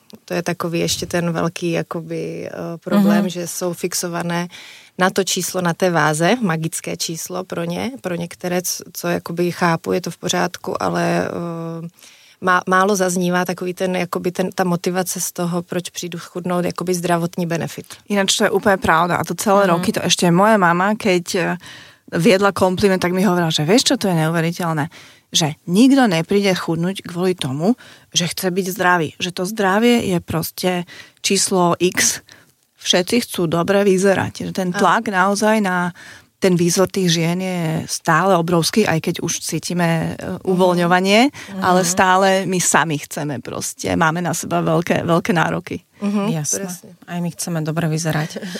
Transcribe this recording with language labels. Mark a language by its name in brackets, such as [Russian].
[Czech] To je takový ještě ten velký jakoby problém, že jsou fixované na to číslo na té váze, magické číslo pro ně, pro některé, co jakoby chápu, je to v pořádku, ale málo zaznívá takový ten, jakoby ten, ta motivace z toho, proč přijdu chudnout, jakoby zdravotní benefit. [Slovak] Ináč to je úplně pravda a to celé roky, to ještě moje mama, keď viedla Kompliment, tak mi hovorila, že vieš čo, to je neuveriteľné, že nikto nepríde chudnúť kvôli tomu, že chce byť zdravý. Že to zdravie je proste číslo X. Všetci chcú dobre vyzerať. Ten tlak naozaj na ten výzor tých žien je stále obrovský, aj keď už cítime uvoľňovanie, ale stále my sami chceme proste. Máme na seba veľké, veľké nároky. Jasne. Presne. Aj my chceme dobre vyzerať.